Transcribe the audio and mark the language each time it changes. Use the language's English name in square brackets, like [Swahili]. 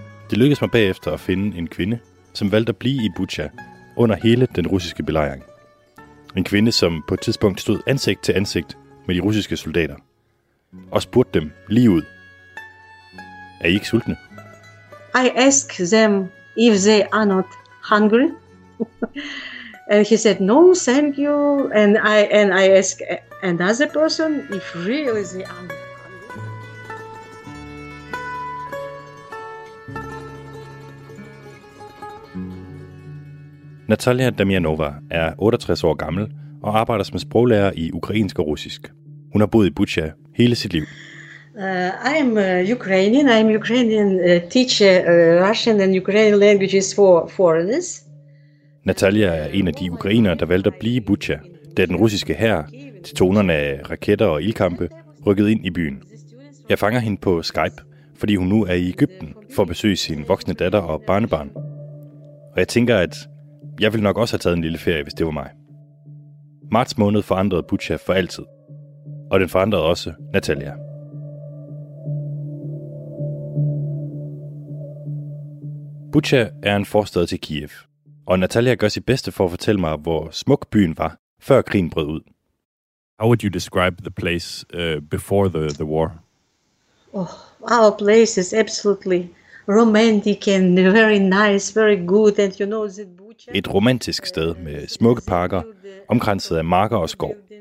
[Danish] Det lykkedes mig bagefter at finde en kvinde, som valgte at blive i Bucha under hele den russiske belejring. En kvinde, som på et tidspunkt stod ansigt til ansigt med de russiske soldater og spurgte dem lige ud: Er I ikke sultne? [English] I asked them if they are not hungry. And he said no, thank you. And I asked another person if really they are not. [Danish] Natalia Damianova er 68 år gammel og arbejder som sproglærer i ukrainsk og russisk. Hun har boet i Bucha hele sit liv. [English] I'm Ukrainian teacher Russian and Ukrainian languages for foreigners. [Danish] Natalia er en af de ukrainere, der valgte at blive i Bucha, da den russiske hær til tonerne af raketter og ildkampe rykkede ind i byen. Jeg fanger hende på Skype, fordi hun nu er i Egypten for at besøge sin voksne datter og barnebarn. Og jeg tænker, at jeg ville nok også have taget en lille ferie, hvis det var mig. Marts måned forandrede Bucha for altid. Og den forandrede også Natalia. Bucha er en forstad til Kiev. Og Natalia gør sit bedste for at fortælle mig, hvor smuk byen var, før krigen brød ud. [English] How would you describe the place before the war? Oh, our place is absolutely romantic and very nice, very good, and you know that Bucha. [Danish] Et romantisk sted med smukke parker, omkranset af marker og skov.